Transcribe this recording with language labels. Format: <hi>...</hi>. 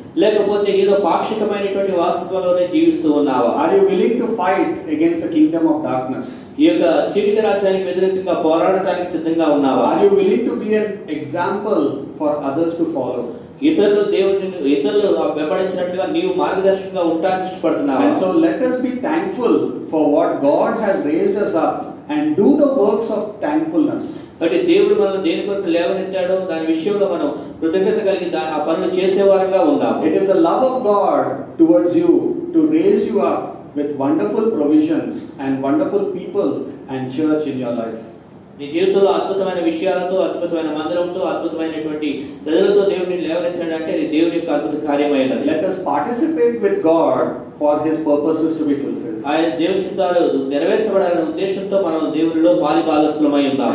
<te>లేకపోతే ఏదో పాక్షికమైనటువంటి వాస్తవంలోనే జీవిస్తూ ఉన్నావా?</te> <en>Are you willing to fight against the kingdom of darkness?</en> <te>ఈ యొక్క చీకట రాజ్యానికి వ్యతిరేకంగా పోరాడటానికి సిద్ధంగా ఉన్నావా?</te> <en>Are you willing to be an example for others to follow?</en> <te>ఇతరులు దేవుడిని ఇతరులు వెంబడించినట్లుగా నీవు మార్గదర్శకంగా ఉండడానికి ఇష్టపడుతున్నావు.</te> <en>And so let us be thankful for what God has raised us up and do the works of thankfulness.</en> <te>అంటే దేవుడు మనల్ని దేని కొరకు లేవనెత్తాడో దాని విషయంలో మనం కృతజ్ఞత కలిగి ఆ పనులు చేసేవారుగా ఉందాం.</te> <en>It is the love of God towards you to raise you up with wonderful provisions and wonderful people and church in your life.</en> <te>నీ జీవితంలో అద్భుతమైన విషయాలతో, అద్భుతమైన మందిరంతో, అద్భుతమైనటువంటి ప్రజలతో దేవుడిని లేవనెత్తాడు అంటే అది దేవుని యొక్క అద్భుత కార్యమైన.</te> <en>Let us participate with God for his purposes to be fulfilled.</en> <te>ఆయన దేవుని చిత్తాలు నెరవేర్చబడాలనే ఉద్దేశంతో మనం దేవునిలో పాలి బాలస్థులమై ఉందాం.</te>